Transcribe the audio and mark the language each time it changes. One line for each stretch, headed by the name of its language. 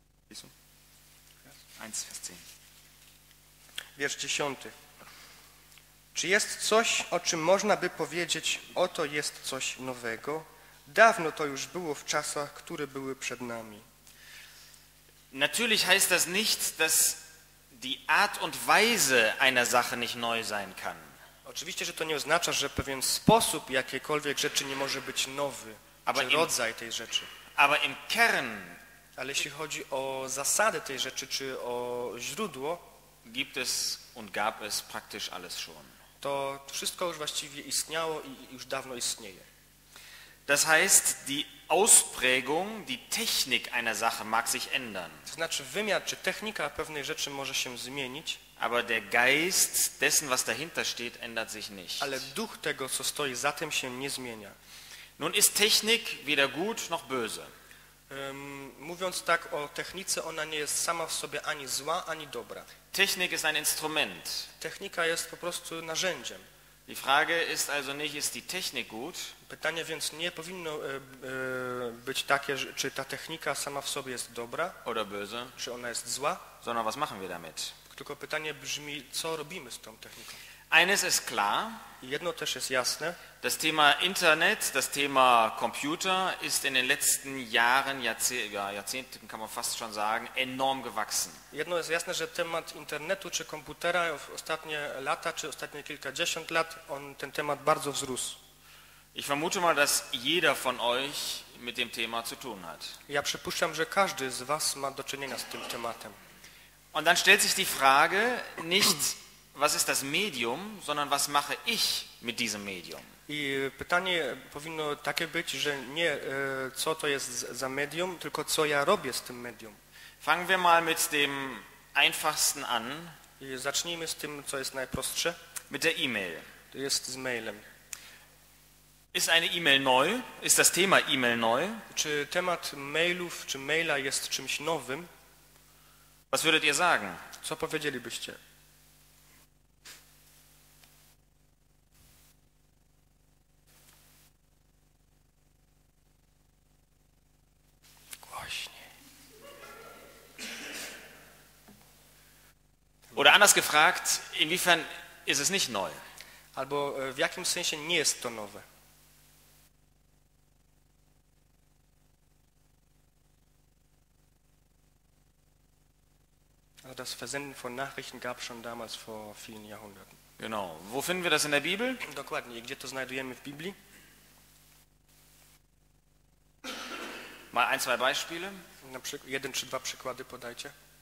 German: 1, Vers 10.
Polish: Wiersz 10. Czy jest coś, o czym można by powiedzieć, oto jest coś nowego? Dawno to już było w czasach, które były przed nami.
German: Natürlich heißt das nicht, dass die Art und Weise einer Sache nicht neu sein kann.
Polish: Oczywiście, że to nie oznacza, że pewien sposób jakiejkolwiek rzeczy nie może być nowy,
German: aber
Polish: czy rodzaj tej rzeczy.
German: Aber im Kern.
Polish: Ale jeśli chodzi o zasady tej rzeczy, czy o źródło,
German: gibt es und gab es praktisch alles schon.
Polish: To wszystko już właściwie istniało i już dawno istnieje.
German: Das heißt, die Ausprägung, die Technik einer Sache mag sich ändern.
Polish: To znaczy wymiar czy technika pewnej rzeczy może się zmienić.
German: Aber der Geist dessen, was dahinter steht, ändert sich nicht.
Polish: Ale duch tego, co stoi za tym, się nie zmienia.
German: Nun ist Technik weder gut noch böse.
Polish: Mówiąc tak o technice, ona nie jest sama w sobie ani zła, ani dobra.
German: Technik ist ein Instrument.
Polish: Technika jest po prostu narzędziem.
German: Die Frage ist also nicht, ist die Technik gut?
Polish: Pytanie więc nie powinno być takie, czy ta technika sama w sobie jest dobra?
German: Oder böse?
Polish: Czy ona jest zła?
German: Sondern was machen wir damit?
Polish: Tylko pytanie brzmi, co robimy z tą techniką?
German: Eines ist klar.
Polish: Jedno też jest jasne.
German: Das Thema Internet, das Thema Computer ist in den letzten Jahren, Jahrzehnten kann man fast schon sagen, enorm gewachsen.
Polish: Jedno jest jasne, że temat internetu czy komputera w ostatnie lata czy ostatnie kilkadziesiąt lat on ten temat bardzo wzrósł.
German: Ich vermute mal, dass jeder von euch mit dem Thema zu tun hat.
Polish: Ja przypuszczam, że każdy z was ma do czynienia z tym tematem.
German: Und dann stellt sich die Frage, nicht was ist das Medium, sondern was mache ich mit diesem Medium?
Polish: I pytanie powinno takie być, że nie co to jest za medium, tylko co ja robię z tym medium.
German: Fangen wir mal mit dem einfachsten an.
Polish: I zacznijmy z tym, co jest najprostsze.
German: Mit der E-Mail.
Polish: To jest z mailem.
German: Ist eine E-Mail neu? Ist das Thema E-Mail neu?
Polish: Czy temat mailów czy maila jest czymś nowym?
German: Was würdet ihr sagen?
Polish: Co powiedzielibyście? Głośniej.
German: Oder anders gefragt, inwiefern ist es nicht neu?
Polish: Albo w jakim sensie nie jest to nowe?
German: Das Versenden von Nachrichten gab es schon damals vor vielen Jahrhunderten. Genau. Wo finden wir das in der Bibel?
Polish: Dokładnie. Gdzie to znajdujemy w Biblii?
German: Mal ein, zwei Beispiele.
Polish: Na przykład, jeden czy dwa przykłady podajcie.